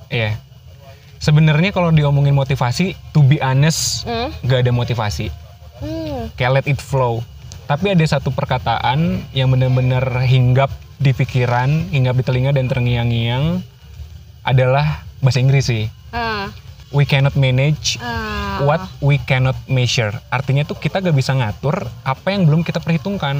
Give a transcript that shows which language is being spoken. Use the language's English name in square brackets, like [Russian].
[Indonesian] Iya. Sebenarnya kalau diomongin motivasi, [English] to be honest, [Indonesian] nggak ada motivasi. Kayak [English] let it flow. [Indonesian] Tapi ada satu perkataan yang benar-benar hinggap di pikiran, hinggap di telinga dan terngiang-ngiang, adalah bahasa Inggris sih. [English] We cannot manage what we cannot measure. [Indonesian] Artinya tuh kita gak bisa ngatur apa yang belum kita perhitungkan.